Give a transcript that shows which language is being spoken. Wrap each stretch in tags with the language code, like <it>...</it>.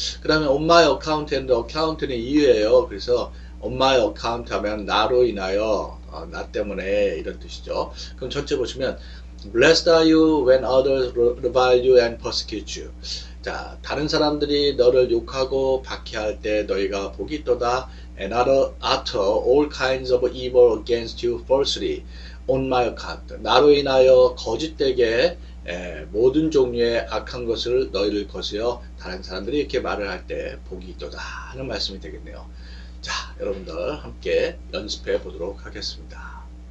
<ko>그 다음에</ko> <en>on my account</en> <ko>and account는 이유예요. 그래서 on my account 하면 나로 인하여, 나 때문에 이런 뜻이죠. 그럼 전체 보시면</ko> <en>blessed are you when others revile you and persecute you.</en> <ko>자, 다른 사람들이 너를 욕하고 박해할 때 너희가 복이 있도다.</ko> <en>and utter all kinds of evil against you falsely. On my account,</en> <ko>나로 인하여 거짓되게 모든 종류의 악한 것을 너희를 거스려 다른 사람들이 이렇게 말을 할 때 복이 있도다 하는 말씀이 되겠네요. 자, 여러분들 함께 연습해 보도록 하겠습니다.</ko>